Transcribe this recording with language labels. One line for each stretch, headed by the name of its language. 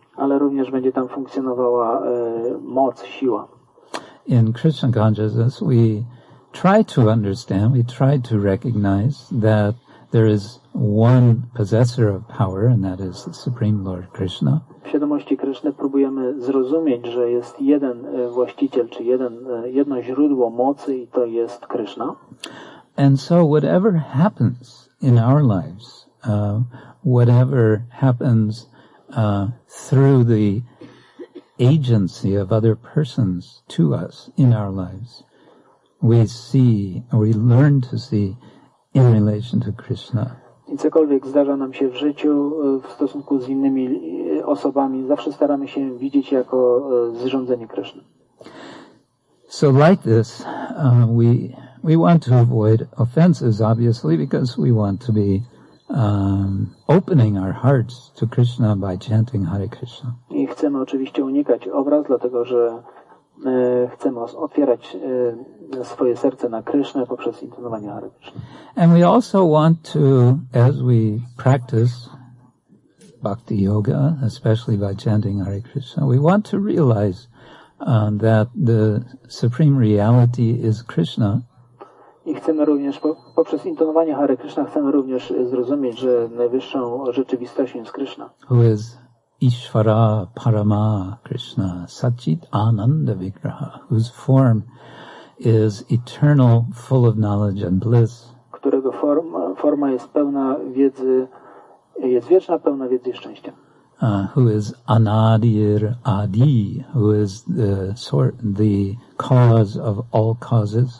Polish: Ale również będzie tam funkcjonowała moc, siła.
English: In Krishna consciousness we try to understand, we try to recognize that there is one possessor of power, and that is the Supreme Lord Krishna.
Polish: W świadomości Kryszny próbujemy zrozumieć, że jest jeden właściciel, czy jedno źródło mocy, i to jest Kryszna.
English: And so whatever happens in our lives, whatever happens through the agency of other persons to us in our lives, we see, or we learn to see, in relation to Krishna.
Polish: I cokolwiek zdarza nam się w życiu, w stosunku z innymi osobami, zawsze staramy się widzieć jako zrządzenie Krishna.
English: So like this, we want to avoid offenses, obviously, because we want to be opening our hearts to Krishna by chanting Hare Krishna.
Polish: I chcemy oczywiście unikać obraz, dlatego że chcemy otwierać swoje serce na Krishna poprzez intonowanie Hare Krishna.
English: And we also want to, as we practice bhakti yoga, especially by chanting Hare Krishna, we want to realize that the supreme reality is Krishna.
Polish: I chcemy również poprzez intonowanie Hare Krishna chcemy również zrozumieć, że najwyższą rzeczywistością jest Krishna.
English: Who is
Sanskrit: Ishvara Parama Krishna Sachit Ananda Vigraha,
English: whose form is eternal, full of knowledge and bliss.
Polish: którego forma jest pełna wiedzy, jest wieczna, pełna wiedzy i szczęścia.
English: Who is
Sanskrit: Anadir Adi,
English: who is the cause of all causes.